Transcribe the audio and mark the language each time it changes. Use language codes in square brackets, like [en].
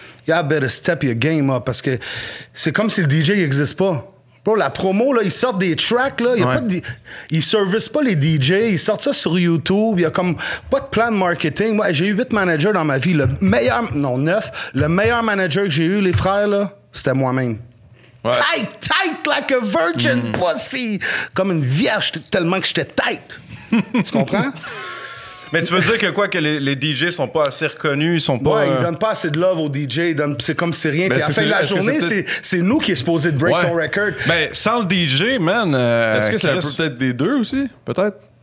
[en] Y'all better step your game up, [fr] parce que c'est comme si le DJ n'existe pas. Bro, la promo, là, ils sortent des tracks, là. Ils servissent pas les DJ, ils sortent ça sur YouTube. Il y a comme pas de plan de marketing. Moi, j'ai eu 8 managers dans ma vie. Le meilleur manager que j'ai eu, les frères, là, c'était moi-même. Ouais. [en] Tight, tight, like a virgin pussy. [fr] Comme une vierge, tellement que j'étais tight. Tu comprends? Mais tu veux dire que quoi, que les DJ sont pas assez reconnus, ils sont pas... Ouais, ils donnent pas assez de love aux DJ, c'est comme si rien. Mais puis à la fin de la journée, c'est nous qui est supposé de break ton record. Mais sans le DJ, man... Est-ce que c'est peut-être des deux aussi, peut-être?